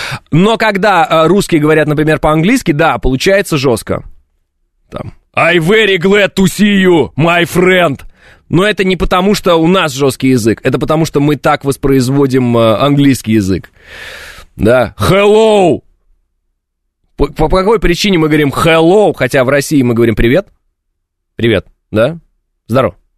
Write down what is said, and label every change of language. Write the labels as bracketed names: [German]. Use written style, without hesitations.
[Russian] Но когда русские говорят, например, по-английски, да, получается жестко. Там. [English] I very glad to see you, my friend. [Russian] Но это не потому, что у нас жесткий язык. Это потому, что мы так воспроизводим английский язык. Да. Hello. По какой причине мы говорим hello, хотя в России мы говорим привет? Привет. Да? Здорово.